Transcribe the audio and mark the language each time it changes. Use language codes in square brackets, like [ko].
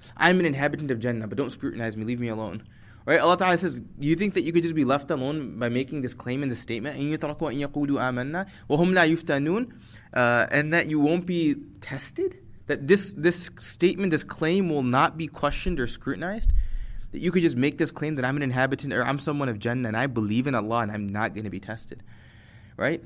[en] I'm an inhabitant of Jannah, but don't scrutinize me. Leave me alone. Right? Allah Ta'ala says, do you think that you could just be left alone by making this claim and this statement? [ar] أَن يَتَرَكُوا أَن يَقُولُوا آمَنَّا وَهُمْ لَا يُفْتَنُونَ, [en] and that you won't be tested? That this statement, this claim will not be questioned or scrutinized? That you could just make this claim that I'm an inhabitant, or I'm someone of Jannah and I believe in Allah and I'm not going to be tested? Right?